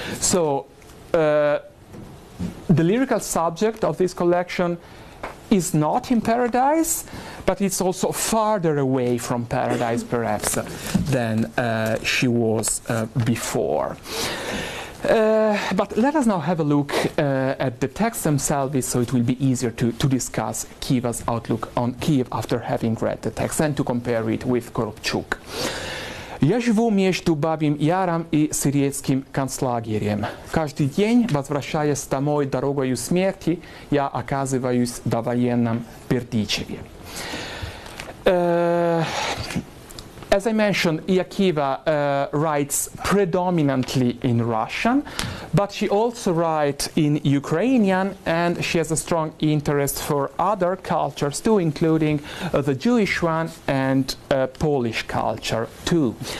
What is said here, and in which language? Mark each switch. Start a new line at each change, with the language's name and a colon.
English: So the lyrical subject of this collection is not in paradise, but it's also farther away from paradise, perhaps, than she was before. But let us now have a look at the text themselves, so it will be easier to discuss Kiva's outlook on Kyiv after having read the text, and to compare it with Korobchuk.
Russian: Я живу между Бабьим Яром и Сырецким концлагерем. Каждый день, возвращаясь домой дорогою смерти, я оказываюсь в довоенном Бердичеве.
English: As I mentioned, Iakiva writes predominantly in Russian, but she also writes in Ukrainian, and she has a strong interest for other cultures too, including the Jewish one and Polish culture too.